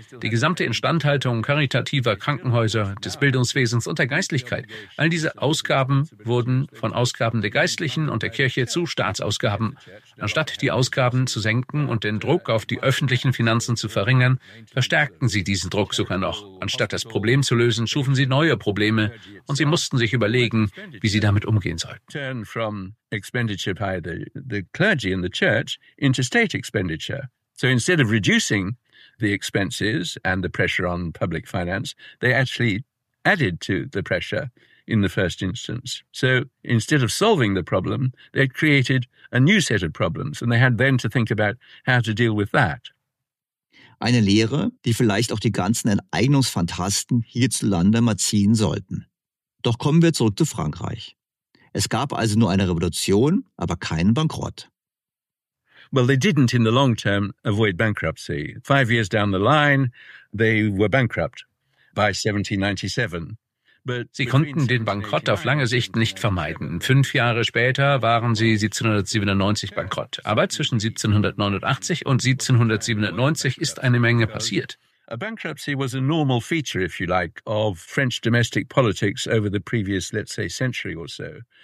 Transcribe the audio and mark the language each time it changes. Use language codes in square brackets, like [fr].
[de] Die gesamte Instandhaltung karitativer Krankenhäuser, des Bildungswesens und der Geistlichkeit, all diese Ausgaben wurden von Ausgaben der Geistlichen und der Kirche zu Staatsausgaben. Anstatt die Ausgaben zu senken und den Druck auf die öffentlichen Finanzen zu verringern, verstärkten sie diesen Druck sogar noch. Anstatt das Problem zu lösen, schufen sie neue Probleme und sie mussten sich überlegen, wie sie damit umgehen sollten. [en] Turn from expenditure by the clergy and the church into state expenditure. So instead of reducing the expenses and the pressure on public finance, they actually added to the pressure in the first instance. So instead of solving the problem, they created a new set of problems and they had then to think about how to deal with that. [de] Eine Lehre, die vielleicht auch die ganzen Enteignungsfantasten hierzulande mal ziehen sollten. Doch kommen wir zurück zu Frankreich. Es gab also nur eine Revolution, aber keinen Bankrott. [en] Well, they didn't in the long term avoid bankruptcy. 5 years down the line, they were bankrupt by 1797. [de] Sie konnten den Bankrott auf lange Sicht nicht vermeiden. 5 Jahre später waren sie 1797 bankrott. Aber zwischen 1789 und 1797 ist eine Menge passiert. [en] A bankruptcy was a normal feature, if you like, of French domestic politics over the previous, let's say, century or so.